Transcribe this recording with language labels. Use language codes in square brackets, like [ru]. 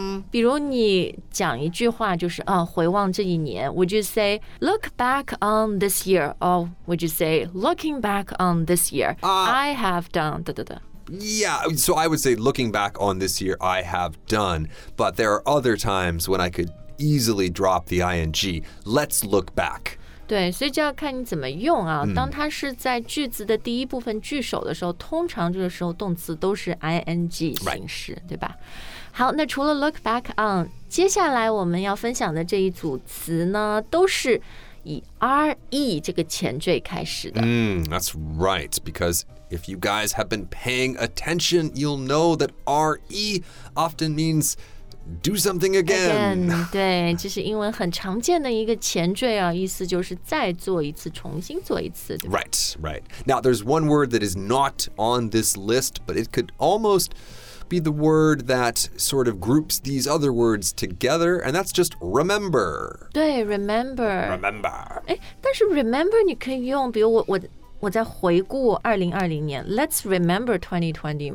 [zh] 比如你讲一句话就是回望这一年， [en] would you say look back on this year? Or would you say looking back on this year? I have done... Yeah, so I would say looking back on this year, I have done. But there are other times when I could easily drop the ing. Let's look back. [zh] 对，所以就要看你怎么用啊。当它是在句子的第一部分句首的时候，通常这个时候动词都是 ing 形式，对吧？好，那除了 look back on, 接下来我们要分享的这一组词呢，都是以 RE 这个前缀开始的。 [en] That's right, because if you guys have been paying attention, you'll know that RE often means do something again. [zh] 对，这是英文很常见的一个前缀啊，意思就是再做一次，重新做一次。 [en] Right, right. Now, there's one word that is not on this list, but it could almost be the word that sort of groups these other words together, and that's just remember. [zh] 对， remember. [en] Remember. [zh] 但是 remember 你可以用，比如我在回顾2020年， [en] let's remember 2020